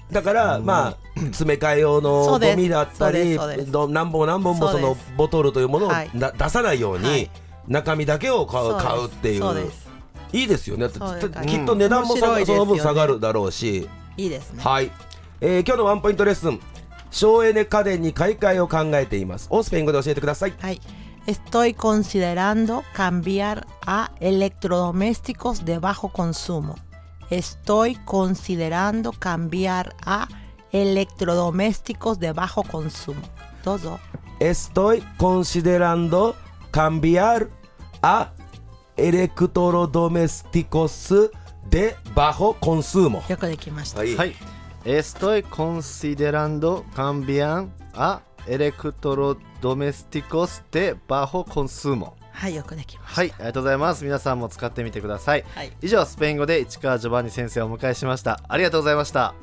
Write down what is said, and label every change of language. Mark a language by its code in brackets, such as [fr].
[ja] だから、まあ、詰め替え用のゴミだったり、何本何本もそのボトルというものを、はい、出さないように、はい、中身だけを買うっていう。そうです、いいですよね。きっと値段も、うん、ね、その分下がるだろうし、いいですね。はい、今日のワンポイントレッスン、省エネ家電に買い替えを考えていますをスペイン語で教えてください。 [es] はい、Estoy considerando cambiar a electrodomésticos de bajo consumo. Estoy considerando cambiar a electrodomésticos de bajo consumo. Todo. Estoy considerando cambiar a electrodomésticos de bajo consumo. [ja] よくできました。はい。 [es] Estoy considerando cambiar aエレクトロドメスティコスでバホコンスーモ。 [ja] はい、よくできました。はい、ありがとうございます。皆さんも使ってみてください。はい、以上、スペイン語で市川ジョバンニ先生をお迎えしました。ありがとうございました。